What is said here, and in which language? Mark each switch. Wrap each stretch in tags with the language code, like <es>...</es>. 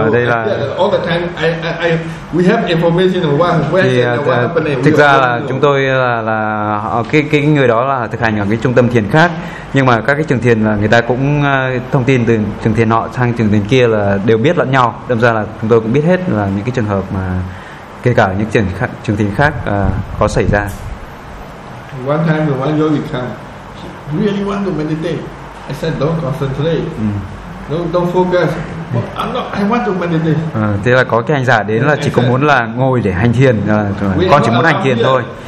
<en>all the time, I we have information of what happened.</en> <vi>Thực ra là chúng tôi là cái người đó là thực hành ở cái trung tâm thiền khác, nhưng mà các cái trường thiền là người ta cũng thông tin từ trường thiền nọ sang trường thiền kia là đều biết lẫn nhau. Đâm ra là chúng tôi cũng biết hết là những cái trường hợp mà kể cả những trường thiền khác có xảy ra.</vi> <en>One time, one yogi come, really want to meditate. I said, don't concentrate. Don't focus. I want to meditate.</en> <vi>Thế là có cái hành giả đến là chỉ có muốn là ngồi để hành thiền, con chỉ muốn hành thiền thôi.</vi>